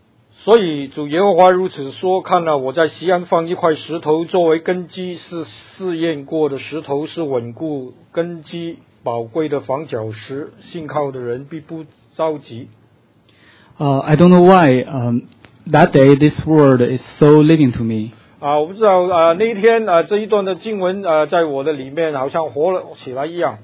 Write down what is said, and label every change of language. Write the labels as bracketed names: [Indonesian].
[Chinese] 所以主耶和华如此说，看了我在锡安放一块石头作为根基，是试验过的石头，是稳固根基宝贵的房角石，信靠的人必不着急。 [English] I don't know why, that day this word is so living to me. [Chinese] 我不知道那一天这一段的经文在我的里面好像活了起来一样。